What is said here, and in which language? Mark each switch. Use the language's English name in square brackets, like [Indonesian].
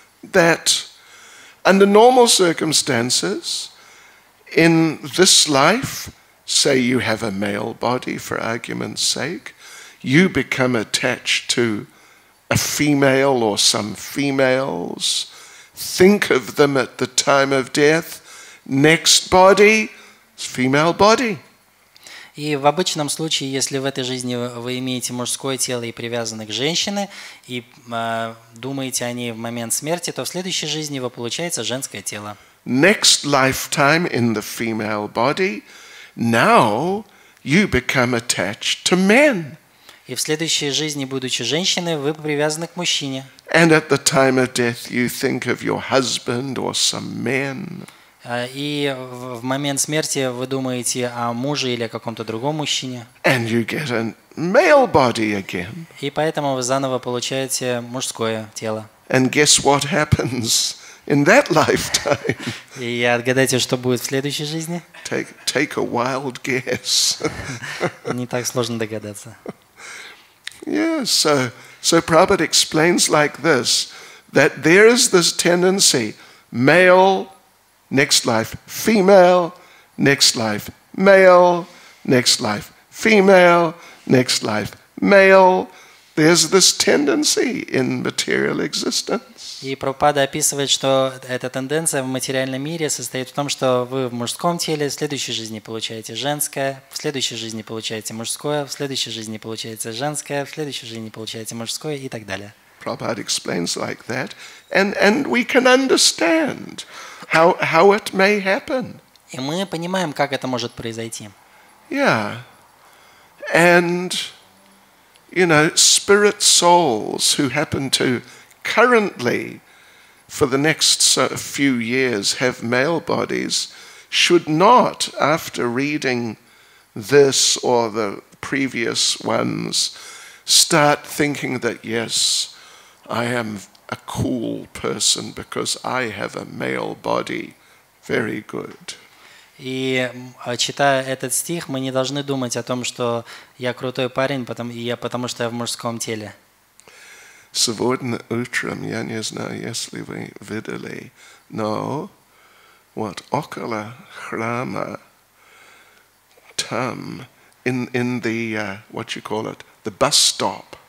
[English] That under normal circumstances, in this life, say you have a male body for argument's sake, you become attached to a female or some females, think of them at the time of death, next body, female body. [Russian] И в обычном случае, если в этой жизни вы имеете мужское тело и привязаны к женщине, и думаете о ней в момент смерти, то в следующей жизни вы получаете женское тело. [English] Next lifetime in the female body, now you become attached to men. [Russian] И в следующей жизни, будучи женщиной, вы привязаны к мужчине. [English] And at the time of death you think of your husband or some men. [Russian] И в момент смерти вы думаете о муже или о каком-то другом мужчине. [English] And you get a male body again. [Russian] И поэтому вы заново получаете мужское тело. [English] And guess what happens in that lifetime? [Russian] И отгадайте, что будет в следующей жизни? [English] Take a wild guess. [Russian] Не так сложно догадаться. [English] Yeah, so Prabhupada explains like this, that there is this tendency, male, next life female, next life male, next life female, next life male. There's this tendency in material existence. [Russian] И Прабхупада описывает, что эта тенденция в материальном мире состоит в том, что вы в мужском теле, в следующей жизни получаете женское, в следующей жизни получаете мужское, в следующей жизни получаете женское, в следующей жизни получаете мужское и так далее. [English] Prabhupada explains like that, and we can understand how it may happen. [Russian] И мы понимаем, как это может произойти. [English] Yeah. And you know, spirit souls who happen to currently for the next few years have male bodies should not, after reading this or the previous ones, start thinking that, yes, I am a cool person because I have a male body. Very good. [Russian] И читая этот стих, мы не должны думать о том, что я крутой парень, потому что я в мужском теле. Сегодня утром, я не знаю, если вы видели, но вот около храма, там, [English] in the, what you call it, the bus stop,